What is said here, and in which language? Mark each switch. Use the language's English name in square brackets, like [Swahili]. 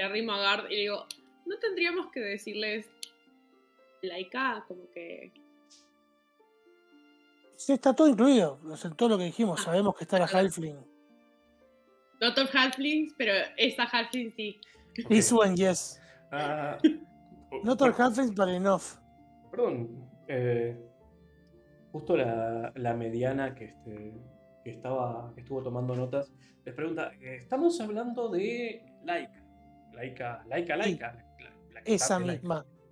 [Spanish] le arrimo a Gard y digo: ¿no tendríamos que decirles Laika? Como que sí, está todo incluido, o sea, todo lo que dijimos, sabemos que está la Halfling. [English] Not of Halflings, [Spanish] pero esta Halfling sí. [English] Okay. This one, yes. Not of Halflings, but enough. [Spanish] Perdón, justo la mediana que estuvo tomando notas, les pregunta: estamos hablando de Laika. Laika. Esa misma.